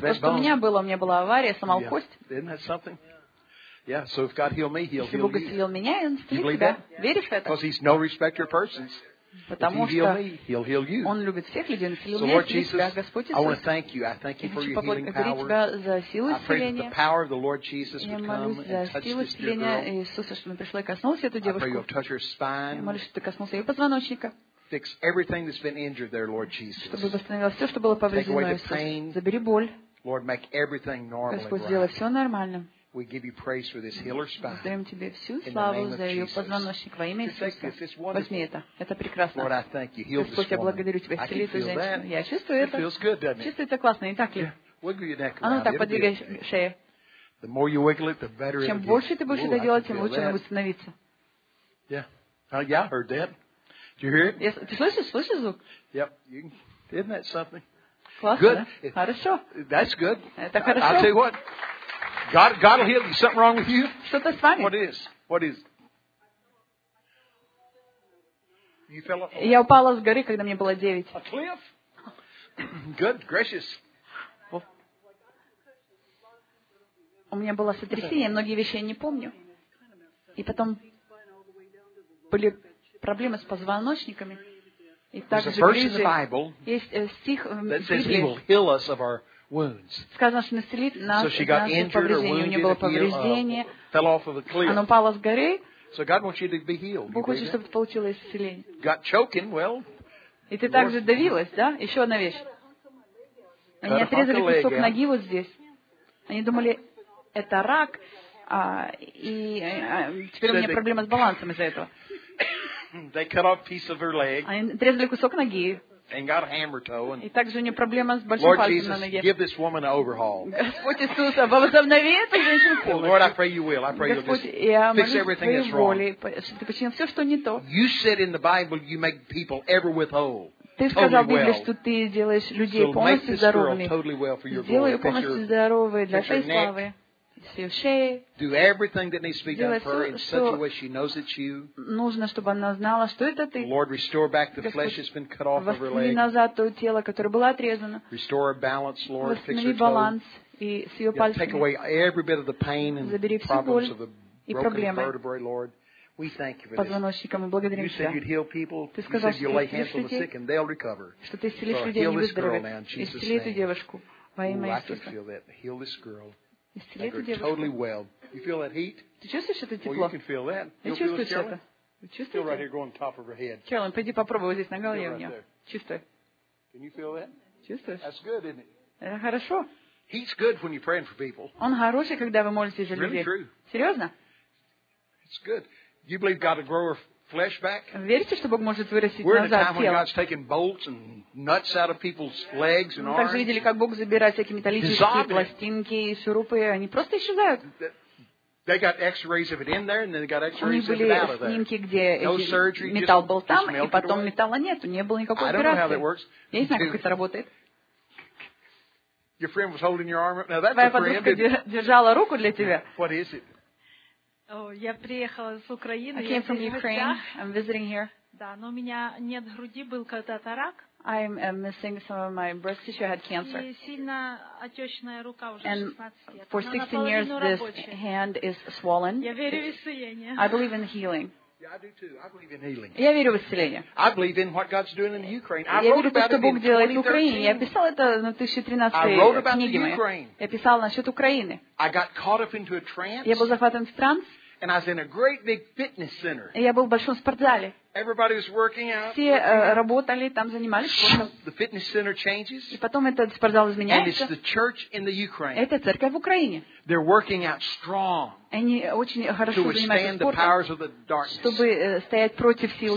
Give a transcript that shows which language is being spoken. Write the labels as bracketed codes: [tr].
[ru] Это то, что у меня была авария, сломал кость. [en] Yeah. Isn't that something? Yeah. So if God healed me, He'll heal [ru] Если Бог исцелил меня, Он исцелит тебя. Веришь в это? [en] Because He's no respecter of persons. [ru] Потому что [en] He'll heal you. [ru] Он любит всех людей, Он исцелил меня, исцелит тебя, Господь Иисус. [en] I want to thank you. I thank you for your healing power. [ru] Я хочу поблагодарить тебя за силу исцеления. [en] I pray that the power of the Lord Jesus would come and touch this dear girl. [ru] Я молюсь за силу исцеления Иисуса, чтобы пришло и коснулось эту девушку. [en] I pray you'll touch her spine. [ru] Я молюсь, чтобы ты коснулся ее позвоночника. [en] Fix everything that's been injured there, Lord Jesus. [ru] Чтобы восстановилось все, что было повреждено, Иисус. Забери боль. [en] Lord, make everything normal. [ru] Господь, сделай все нормальным. [en] We give you praise for this healer spine. [ru] Мы даем тебе всю славу за ее позвоночник во имя Иисуса. Возьми это. Это прекрасно. [en] Lord, I thank you. [ru] Господь, я благодарю тебя. Исцели эту женщину. Я чувствую это. [en] It feels good, doesn't it? [ru] Чувствуется классно, не так ли? [en] Wiggle your neck. [ru] А ну так, подвигай шею. [en] The more you wiggle it, the better it is. [ru] Чем больше ты будешь это делать, тем лучше оно будет становиться. [en] Yeah. Yeah, I heard that. Did you hear it? Yes. [ru] Ты слышишь звук? [en] Yep. Isn't that something? [ru] Классно. [en] Good. [ru] Хорошо. [en] That's good. [ru] Это хорошо. [en] I'll tell you what. God will heal you. Something wrong with you? [ru] Что-то с вами? [en] What is? You fell off. [ru] Я упала с горы, когда мне было 9. [en] A cliff? Good, gracious. [ru] У меня было сотрясение, многие вещи я не помню. И потом были проблемы с позвоночниками. И также грыжи. Есть стих в Библии. [en] That says He will heal us of our wounds. [ru] Сказано, что исцелит нас от повреждений. У нее было повреждение. [en] Fell off of a cliff. [ru] Она упала с горы. [en] So God wants you to be healed. [ru] Бог хочет, чтобы ты получила исцеление. [en] Got choking, well. [ru] И ты также давилась, да? Еще одна вещь. Они отрезали кусок ноги вот здесь. Они думали, это рак, и теперь у меня проблема с балансом из-за этого. [en] They cut off a piece of her leg. [ru] Они отрезали кусок ноги. [en] And got a hammer toe. [ru] И также у нее проблема с большим пальцем на ноге. [en] Lord Jesus, give this woman an overhaul. [ru] Господь Иисус, возобнови эту женщину. [en] Lord, I pray you will. I pray [ru] Господь, [en] you'll just fix everything that's wrong. [ru] Ты починил все, что не то. [en] You said in the Bible you make people ever with whole. [ru] Ты сказал в Библии, что ты делаешь людей полностью здоровыми. [en] Totally well for your [ru] Сделай ее полностью здоровой для твоей славы. [en] Do everything that needs to be done for her in such a way she knows it's you. [ru] Нужно, чтобы она знала, что это ты. [en] Lord, restore back the flesh that's been cut off of her leg. [ru] Восстанови назад то тело, которое было отрезано. [en] Restore her balance, Lord. [ru] Восстанови баланс и с ее пальцами. [en] Take away every bit of the pain and problems of the broken vertebrae, Lord. We thank you for this. [ru] Мы благодарим тебя. [en] You said you'd heal people. You said you'd lay hands on the sick and they'll recover. [ru] Что ты исцелишь людей, они выздоровеют. Исцели эту девушку во имя Иисуса. [en] I can feel that. Heal this girl. You're totally well. You feel that heat? Ты чувствуешь это тепло? Well, you can feel that. You feel it, Carolyn? You feel right here going on top of her head. [ru] Carolyn, пойди попробуй вот здесь на голове у нее. Чувствуй. [en] Can you feel that? [ru] Чувствуешь? [en] That's good, isn't it? [ru] Это хорошо. [en] Heat's good when you're praying for people. [ru] Он хороший, когда вы молитесь за людей. [en] Really true. [ru] Серьезно? [en] It's good. You believe God will grow her flesh back? [ru] Верите, что Бог может вырастить назад [en] We're in a time when God's taking bolts and nuts out of people's legs and arms. [ru] Также видели, как Бог забирает всякие металлические пластинки и шурупы, они просто исчезают. [en] They got X-rays of it in there, and then they got X-rays of it out of there. [ru] Снимки, где металл был там, и потом металла нету, не было никакой операции. [en] I don't know how that works. [ru] Я не знаю, как это работает. [en] Your friend was holding your arm. Now that's a friend. [ru] Твоя подружка держала руку для тебя. [en] What is it? [ru] Oh, я приехала с Украины. [en] I came from Ukraine. I'm visiting here. [ru] Да, но у меня нет груди, был когда-то рак. [en] I'm missing some of my breast tissue. I had cancer. [ru] И сильно отечная рука уже 16 лет. [en] And for 16 years, this hand is swollen. [ru] Я верю в исцеление. [en] I believe in healing. Yeah, I do too. I believe in healing. [ru] Я верю в исцеление. [en] I believe in what God's doing in the Ukraine. [ru] Я верю в то, что Бог делает в Украине. Я писал это на 2013 году. [en] I wrote about the Ukraine. [ru] Я писал насчет Украины. [en] I got caught up into a trance. [ru] Я был захвачен в транс. [en] And I was in a great big fitness center. [ru] Я был в большом спортзале. [en] Everybody was working out. [ru] Все работали, там занимались спортом. [en] The fitness center changes. [ru] И потом этот спортзал изменяется. [en] And it's the church in the Ukraine. [ru] Это церковь в Украине. [en] They're working out strong. [ru] Они очень хорошо занимаются спортом. Чтобы стоять против сил